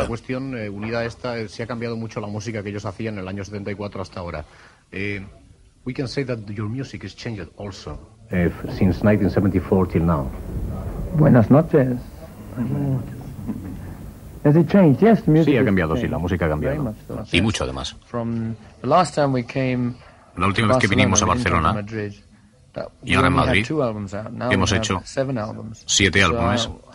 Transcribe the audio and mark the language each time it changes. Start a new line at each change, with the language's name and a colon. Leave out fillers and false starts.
Spanish: La cuestión unida a esta, si ha cambiado mucho la música que ellos hacían en el año 74 hasta ahora.
English: We can say that your music has changed also since 1974 till now.
Spanish: Buenas noches.
English: Has it changed? Yes, the music
Spanish: sí, ha cambiado, sí, la música ha cambiado.
English: Very much so.
Spanish: Y mucho además.
English: From the last time we came
Spanish: la última vez que vinimos a Barcelona, y ahora en Madrid hemos hecho siete álbumes.